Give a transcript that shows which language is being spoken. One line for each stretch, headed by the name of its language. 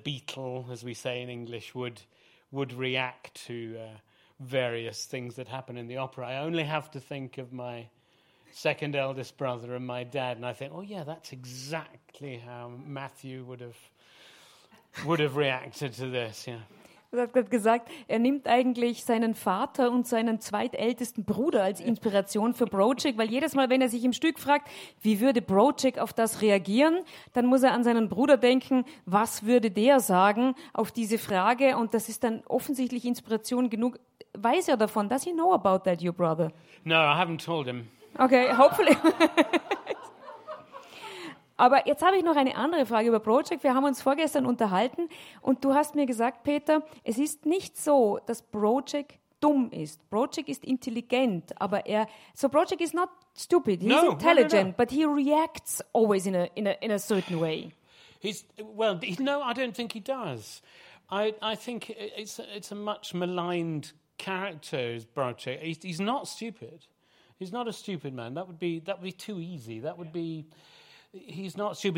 English: Beetle, as we say in English, would react to various things that happen in the opera, I only have to think of my second eldest brother and my dad, and I think, oh yeah, that's exactly how Matthew would have reacted to this. Yeah.
German: Er hat gerade gesagt, er nimmt eigentlich seinen Vater und seinen zweitältesten Bruder als Inspiration für Brocek, weil jedes Mal, wenn er sich im Stück fragt, wie würde Brocek auf das reagieren, dann muss er an seinen Bruder denken, was würde der sagen auf diese Frage, und das ist dann offensichtlich Inspiration genug. Weiß er davon?
English: Does he know about that, your brother? No, I haven't told him. Okay, hopefully.
German: Aber jetzt habe ich noch eine andere Frage über Project. Wir haben uns vorgestern unterhalten und du hast mir gesagt, Peter, es ist nicht so, dass Project dumm ist. Project ist intelligent, aber er...
English: So Project is not stupid. He's intelligent. But he reacts always in a certain way. I don't think he does. I think it's a much maligned character, Project. He's not stupid. He's not a stupid man. That would be too easy. He's not stupid.